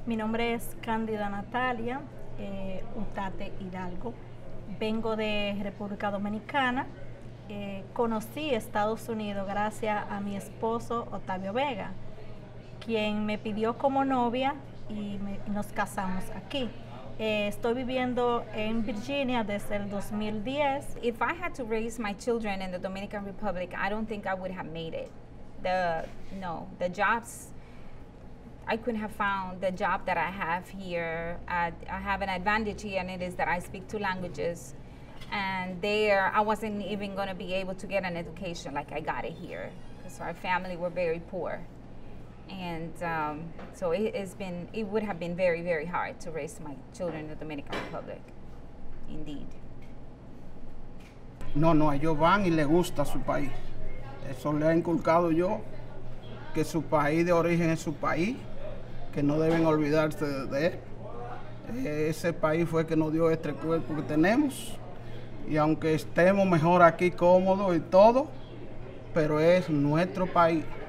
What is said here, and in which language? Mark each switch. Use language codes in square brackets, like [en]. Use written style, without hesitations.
[es] Mi nombre es Cándida Natalia. Utate Hidalgo. Vengo de República Dominicana. Conocí Estados Unidos gracias a mi esposo Octavio Vega, quien me pidió como novia y nos casamos aquí. Estoy viviendo en Virginia desde el 2010. [en] If I had to raise my children in the Dominican Republic, I don't think I would have made it. The jobs, I couldn't have found the job that I have here. I have an advantage here, and it is that I speak 2 languages. And there, I wasn't even gonna be able to get an education like I got it here, because our family were very poor. And so it would have been very, very hard to raise my children in the Dominican Republic, indeed. [es] No, ellos van y les gusta su país. Eso le he inculcado yo, que su país de origen es su país, que no deben olvidarse de él. Ese país fue el que nos dio este cuerpo que tenemos. Y aunque estemos mejor aquí cómodos y todo, pero es nuestro país.